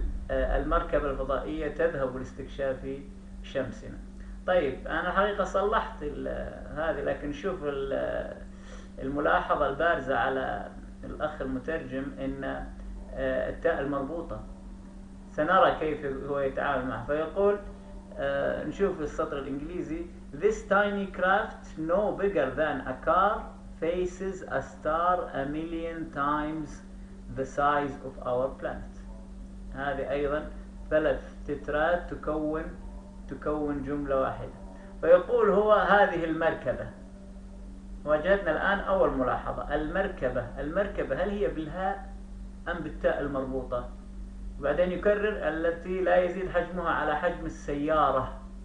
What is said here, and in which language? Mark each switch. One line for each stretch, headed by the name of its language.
Arabic: المركبة الفضائية تذهب لاستكشاف شمسنا. طيب أنا الحقيقة صلحت هذه، لكن شوف الملاحظة البارزة على الأخ المترجم إن التاء المربوطة، سنرى كيف هو يتعامل معها. فيقول نشوف السطر الإنجليزي:
English: This tiny craft no bigger than a car faces a star a million times the size of our planet.
Arabic: هذه أيضا 3 تترات تكون جملة واحدة. فيقول هو هذه المركبة، وجدنا الآن أول ملاحظة، المركبة هل هي بالهاء أم بالتاء المربوطة؟ وبعدين يكرر: التي لا يزيد حجمها على حجم السيارة.